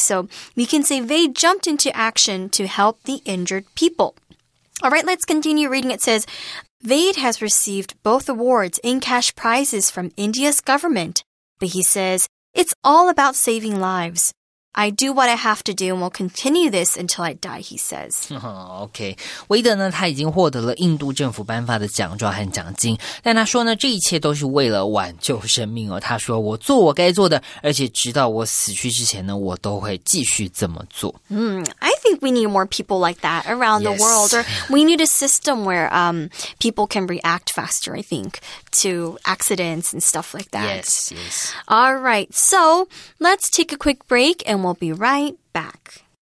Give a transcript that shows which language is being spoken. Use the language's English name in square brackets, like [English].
[English] So we can say they jumped into action to help the injured people. All right, let's continue reading. It says, Wade has received both awards and cash prizes from India's government. But he says, it's all about saving lives. I do what I have to do and will continue this until I die, he says. [Chinese] OK, 韦德呢他已经获得了印度政府颁发的奖状和奖金但他说呢这一切都是为了挽救生命哦。他说我做我该做的而且直到我死去之前呢我都会继续这么做。 [English] I think we need more people like that around the world. Or we need a system where people can react faster, I think, to accidents and stuff like that. Yes. All right, so let's take a quick break and we'll be right back.